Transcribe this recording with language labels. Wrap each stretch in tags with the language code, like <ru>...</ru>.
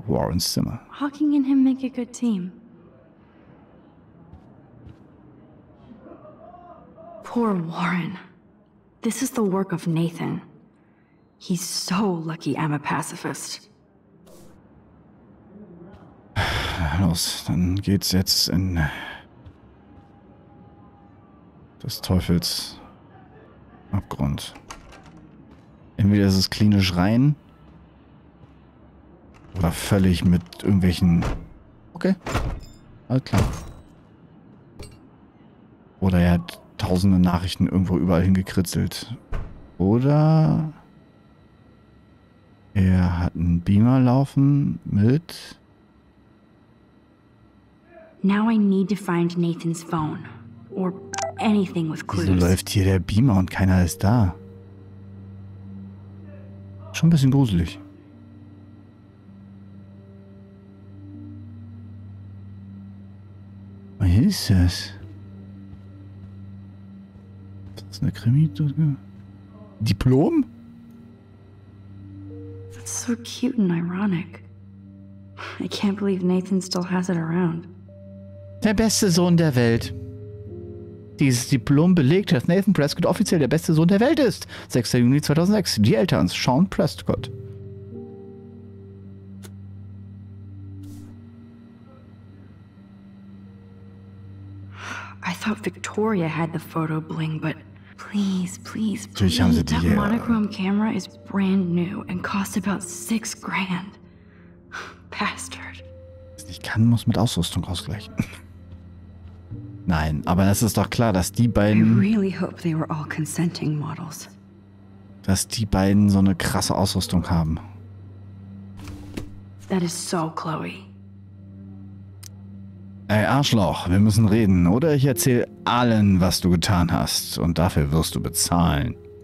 <en>Warren Zimmer. Hawking and him make a good team. Poor Warren. This is the work of Nathan. He's so lucky I'm a pacifist.</en> <de>Los, dann geht's jetzt in des Teufels Abgrund. Entweder ist es klinisch rein oder völlig mit irgendwelchen. Okay. Alles klar. Oder er hat tausende Nachrichten irgendwo überall hingekritzelt. Oder er hat einen Beamer laufen mit.</de> <en>Now I need to find Nathan's phone. Or anything with clues.</en> <de>Wieso läuft hier der Beamer und keiner ist da? Schon ein bisschen gruselig. Was ist das? Ist das eine Krimi? Diplom?</de> <en>That's so cute and ironic. I can't believe Nathan still has it around.</en> <de>Der beste Sohn der Welt. Dieses Diplom belegt, dass Nathan Prescott offiziell der beste Sohn der Welt ist. 6. Juni 2006. Die Eltern, Sean Prescott.</de> <en>I thought Victoria had the photo bling, but please, please, please.</en> <de>Haben sie die,</de> <en>that monochrome camera is brand new and costs about 6 grand. Bastard.</en> <de>Was nicht kann, muss mit Ausrüstung ausgleichen. Nein, aber das ist doch klar, dass die beiden.</de> <en>I really hope they were all consenting models.</en> <de>Dass die beiden so eine krasse Ausrüstung haben.</de> <en>That is so Chloe.</en> <de>Ey, Arschloch, wir müssen reden, oder ich erzähle allen, was du getan hast. Und dafür wirst du bezahlen.</de>